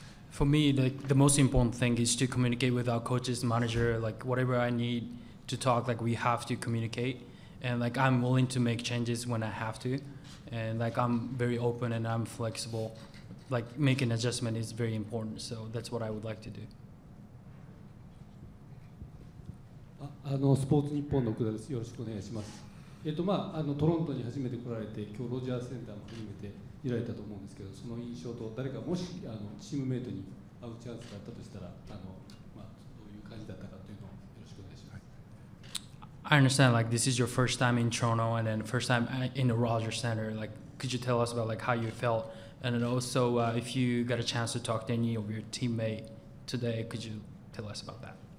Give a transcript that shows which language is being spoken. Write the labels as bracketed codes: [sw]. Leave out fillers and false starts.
[en] For me, the most important thing is to communicate with our coaches, manager, like whatever I need to talk, like we have to communicate. And like I'm willing to make changes when I have to. And like I'm very open and I'm flexible. Like making adjustment is very important. So that's what I would like to do. [ja] スポーツ日本の奥田です。よろしくお願いします。トロントに初めて来られて、今日ロジャーセンターも初めていられたと思うんですけど、その印象と誰かもしチームメイトに会うチャンスがあったとしたら、どういう感じだったかというのをよろしくお願いします。 [en] I understand like this is your first time in Toronto and then first time in the Rogers Center. Like, could you tell us about like how you felt and also if you got a chance to talk to any of your teammate today, could you tell us about that?